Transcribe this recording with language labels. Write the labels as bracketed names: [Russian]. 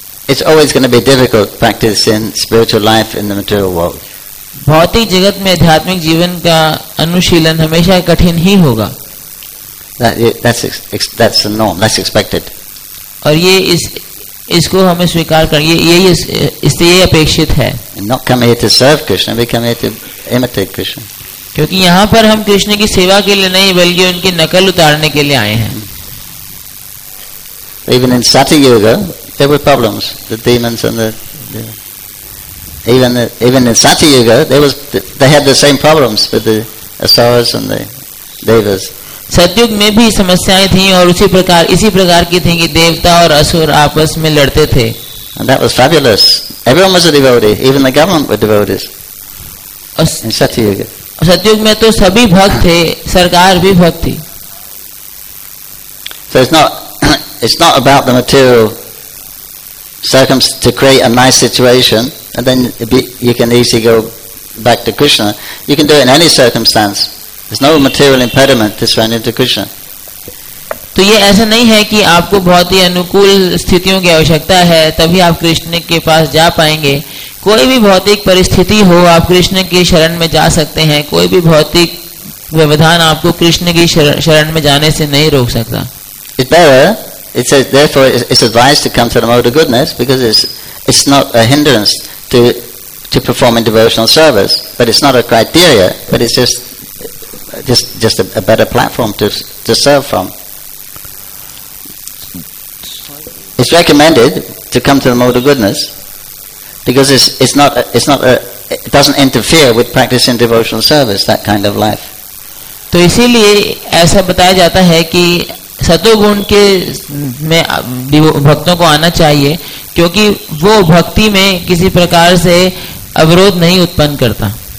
[English] It's always going to be difficult practicing spiritual life in the material world. [Hindi] भौतिक जगत में आध्यात्मिक जीवन का अनुशीलन हमेशा कठिन ही होगा. [English] That's the norm. That's expected. [Hindi] और ये इसको हमें स्वीकार कर, ये अपेक्षित है. [English] Not come here to serve Krishna, we come here to imitate Krishna. [Hindi] क्योंकि यहाँ पर हम कृष्ण की सेवा के लिए नहीं बल्कि उनकी नकल उतारने के लिए आए हैं. [English] Even in Satya Yuga, there were problems. The demons and even in Satya Yuga, they had the same problems with the asuras and the devas. [Hindi] सतयुग में भी समस्याएं थीं और इसी प्रकार की थीं कि देवता और असुर आपस में लड़ते थे. [English] And that was fabulous. Everyone was a devotee. Even the government were devotees. In Satya Yuga. [Hindi] सतयुग में तो सभी भक्त थे, सरकार भी भक्त थी. [English] So it's not about the material circumstances to create a nice situation and then you can easily go back to Krishna. You can do it in any circumstance. There's no material impediment to surrendering to Krishna. [Hindi] तो ये ऐसा नहीं है कि आपको बहुत ही अनुकूल स्थितियों की आवश्यकता है तभी आप कृष्ण के पास जा पाएंगे. कोई भी भौतिक परिस्थिति हो आप कृष्ण की शरण में जा सकते हैं. कोई भी भौतिक व्यवधान आपको कृष्ण की शरण में जाने से नहीं रोक सकता. [English] It's better. It says therefore it's advised to come to the mode of goodness because it's not a hindrance to to perform in devotional service, but it's not a criteria, but it's just a better platform to serve from. It's recommended to come to the mode of goodness because it doesn't interfere with practicing devotional service, that kind of life. [Hindi] तो इसीलिए ऐसा बताया जाता है कि सतोगुण के में भक्तों को आना चाहिए क्योंकि वो भक्ति में किसी प्रकार से अवरोध नहीं उत्पन्न करता.